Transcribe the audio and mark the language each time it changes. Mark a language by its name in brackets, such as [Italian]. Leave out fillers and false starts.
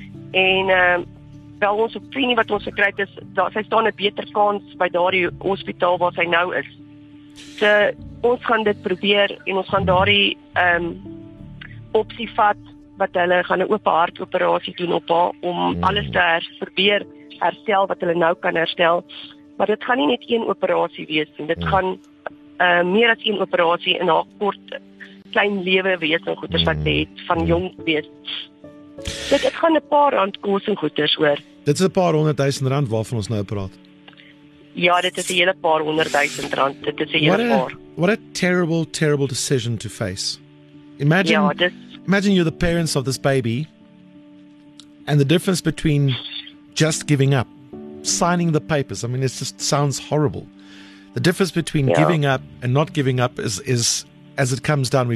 [Afrikaans] En wel ons opinie wat ons gekry het is daar sy staan 'n beter kans by daardie hospitaal waar sy nou is. So ons gaan dit probeer en ons gaan daardie opsie vat wat hulle gaan 'n oop hart operasie doen op haar om alles te herstel wat hulle nou kan herstel. Maar dit gaan nie net een operasie wees nie. Dit gaan meer as een operasie in haar kort klein lewe wees en goeie wat sy het van jong wees. Dit gaan 'n paar rand kos en goeders oor. Dit is 'n paar honderd duisend rand waarvan ons nou praat. Ja, dit is 'n hele paar honderd duisend rand. Dit is 'n hele paar. [English] What a terrible, terrible decision to face. Imagine you're the parents of this baby and the difference between just giving up, signing the papers. I mean, it just sounds horrible. The difference between giving up and not giving up is as it comes down.